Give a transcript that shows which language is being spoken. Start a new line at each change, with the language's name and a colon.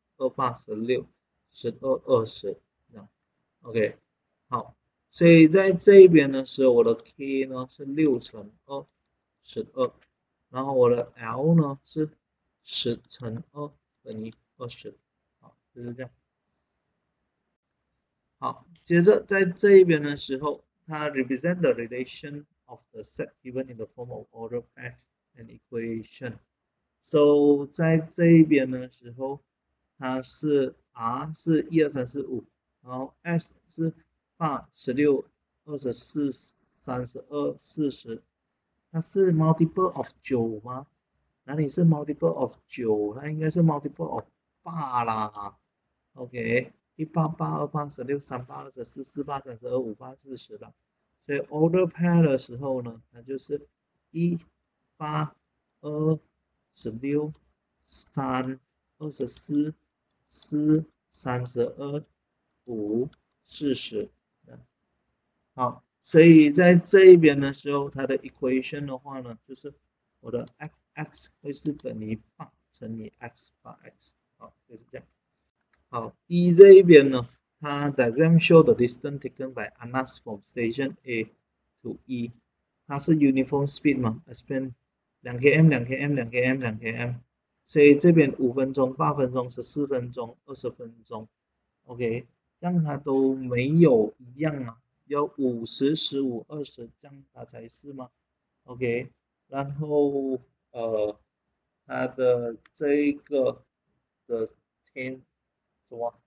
Chinese: 二八十六，十二二十，这样，OK，好，所以在这边的时候，我的 K 呢是六乘二，十二，然后我的 L 呢是十乘二等于20，好，就是这样。好，接着在这边的时候，它
English: represent the relation of the set given in the form of order pair and equation。
Chinese: So 在这边的时候。它是 R 是一二三四五，然后 S 是八十六二十四三十二四十，它是 multiple of 九吗？哪里是 multiple of 九？它应该是 multiple of 八啦。 OK，188286384482540啦。所以 order pair 的时候呢，它就是182163240。四三十二五四十，好，所以在这一边的时候，它的 equation 的话呢，就是我的 fx 会是等于八乘以 x 八 x，好，就是这样。好，e 这一边呢，它
English: diagram show the distance taken by Anas from station A to E，
Chinese: 它是
English: uniform speed 嘛，span 2 km 2 km 2 km 2 km。
Chinese: 所以这边五分钟、八分钟、14分钟、20分钟，OK，这样它都没有一样啊，要五十、十五、二十，这样它才是吗？OK，然后它的这一个的 10 是吧？